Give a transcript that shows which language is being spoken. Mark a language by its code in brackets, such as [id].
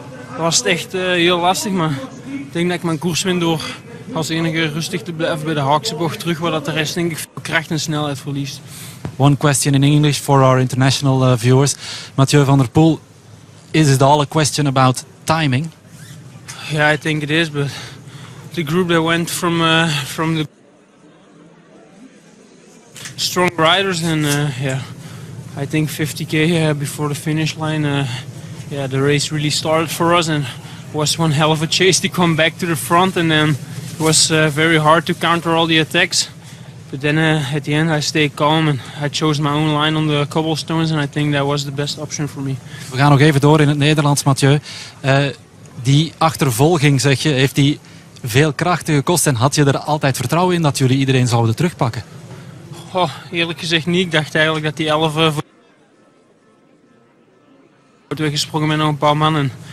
[nl] Dat was het echt heel lastig, maar ik denk dat ik mijn koers win door als enige rustig te blijven bij de haakse bocht terug, waar dat de rest denk ik veel kracht en snelheid verliest. [en] One question in English for our international viewers. Mathieu van der Poel, is it all a question about timing? Yeah, I think it is, but the group that went from the strong riders and I think 50k before the finish line, the race really started for us and was one hell of a chase to come back to the front, and then it was very hard to counter all the attacks. But then at the end I stayed calm and I chose my own line on the cobblestones and I think that was the best option for me. [nl] We gaan nog even door in het Nederlands, Mathieu. Die achtervolging, zeg je, heeft die veel krachten gekost en had je er altijd vertrouwen in dat jullie iedereen zouden terugpakken? Oh, eerlijk gezegd niet. Ik dacht eigenlijk dat die 11 voor weggesprongen met nog een paar mannen.